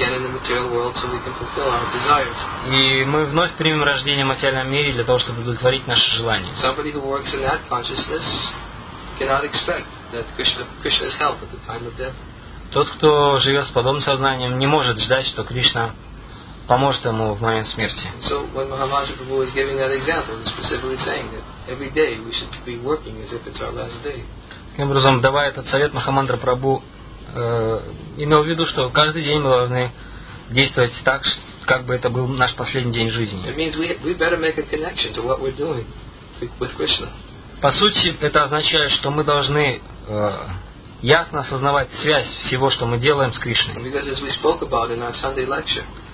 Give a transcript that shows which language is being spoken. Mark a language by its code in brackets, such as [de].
[ru] И мы вновь примем рождение в материальном мире для того, чтобы удовлетворить наши желания. [en] Somebody who works in that consciousness cannot expect that Krishna's help at the time of death. [ru] Тот, кто живет с подобным сознанием, не может ждать, что Кришна поможет ему в момент смерти. [en] So when Mahamantra Prabhu was giving that example, he was specifically saying that every day we should be working as if it's our last day. [ru] Таким образом, давая этот совет, Махамандра Прабу имел в виду, что каждый день мы должны действовать так, как бы это был наш последний день жизни. [en] It means we better make a connection to what we're doing with Krishna. [ru] По сути, это означает, что мы должны ясно осознавать связь всего, что мы делаем с Кришной. [en] Because as we spoke about in our Sunday lecture,